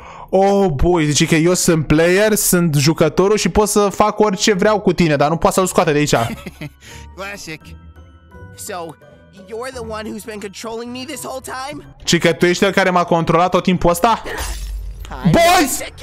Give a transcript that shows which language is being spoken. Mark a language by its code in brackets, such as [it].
[ro] Oh, boy, zice că eu sunt player, sunt jucătorul și pot să fac orice vreau cu tine, dar nu poți să-l scoate de aici. [en] Classic. So, you're the one who's been controlling me this whole time? [ro] Zice că tu ești cel care m-a controlat tot timpul ăsta? Boys!